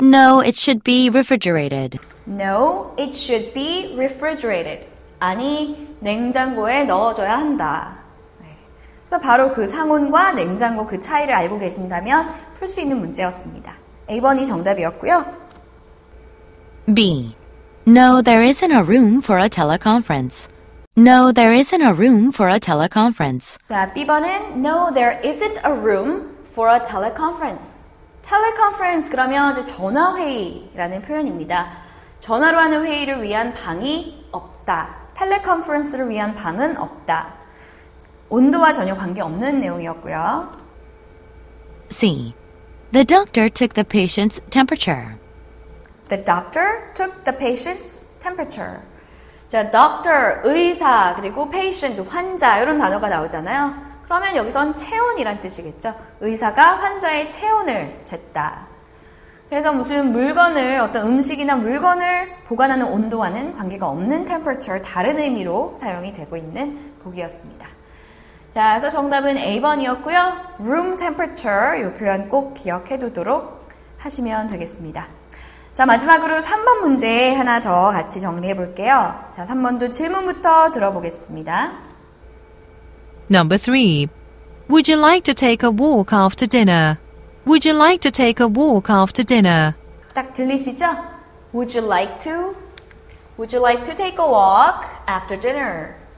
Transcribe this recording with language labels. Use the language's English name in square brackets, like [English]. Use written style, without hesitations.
[English] No, it should be refrigerated. No, it should be refrigerated. [Korean] 아니, 냉장고에 넣어줘야 한다. 그래서 바로 그 상온과 냉장고 그 차이를 알고 계신다면 풀 수 있는 문제였습니다. A번이 정답이었고요. [English] B. No, there isn't a room for a teleconference. No, there isn't a room for a teleconference. [Korean] 자, B번은 [English] No, there isn't a room for a teleconference. [Korean] Teleconference 그러면 이제 전화회의라는 표현입니다. 전화로 하는 회의를 위한 방이 없다. 텔레컨퍼런스를 위한 방은 없다. 온도와 전혀 관계없는 내용이었고요. [English] C. The doctor took the patient's temperature. The doctor took the patient's temperature. 자, doctor, 의사, 그리고 patient, 환자 [Korean] 이런 단어가 나오잖아요. 그러면 여기선 체온이란 뜻이겠죠. 의사가 환자의 체온을 쟀다. 그래서 무슨 물건을, 어떤 음식이나 물건을 보관하는 온도와는 관계가 없는 temperature, 다른 의미로 사용이 되고 있는 보기였습니다. 자, 그래서 정답은 A번이었고요. Room temperature, 이 표현 꼭 기억해 두도록 하시면 되겠습니다. 자, 마지막으로 3번 문제 하나 더 같이 정리해 볼게요. 자, 3번도 질문부터 들어보겠습니다. [English] Number 3. Would you like to take a walk after dinner? Would you like to take a walk after dinner? [Korean] 딱 들리시죠? [English] Would you like to? Would you like to take a walk after dinner?